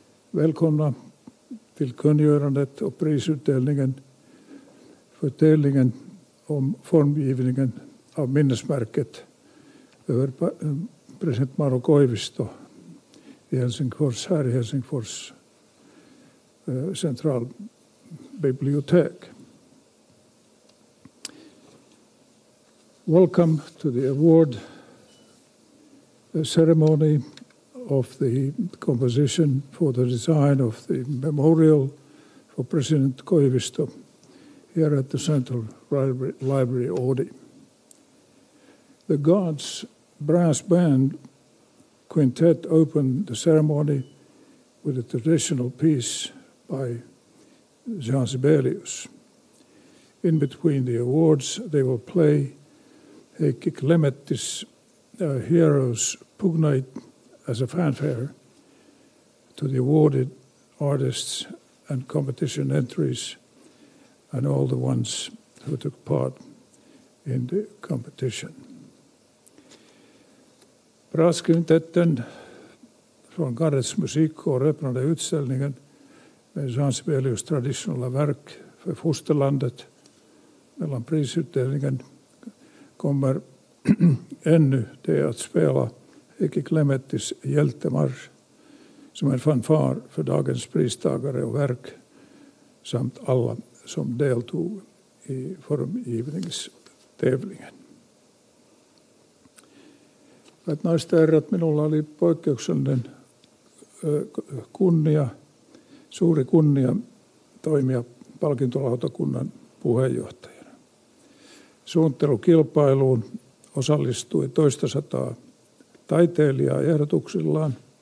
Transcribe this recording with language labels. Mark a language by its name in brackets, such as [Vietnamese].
[Swedish] Välkomna till kungörandet och prisutdelningen för tävlingen om formgivningen av minnesmärket över president Mauno Koivisto i Helsingfors, här i Helsingfors centralbibliotek. [English] Welcome to the award ceremony of the composition for the design of the memorial for President Koivisto here at the Central Library Oodi. The Guards Brass Band Quintet opened the ceremony with a traditional piece by Jean Sibelius. In between the awards, they will play Heikki Klemetti's Heroes Pugnite as a fanfare to the awarded artists and competition entries and all the ones who took part in the competition. [Swedish] Brasskvintetten från Garrets musikkår öppnade utställningen med Jean Sibelius traditionella verk för fosterlandet. Mellan prisutdelningen kommer ännu det att spela Heikki Klemettis hjältemarsch som en fanfar för dagens pristagare och verk samt alla som deltog i formgivningstävlingen. [Finnish] Hyvät naiset ja herrat, minulla oli poikkeuksellinen kunnia, suuri kunnia toimia palkintolautakunnan puheenjohtajana. Suunnittelukilpailuun osallistui toista sataa taiteilijaa ehdotuksillaan.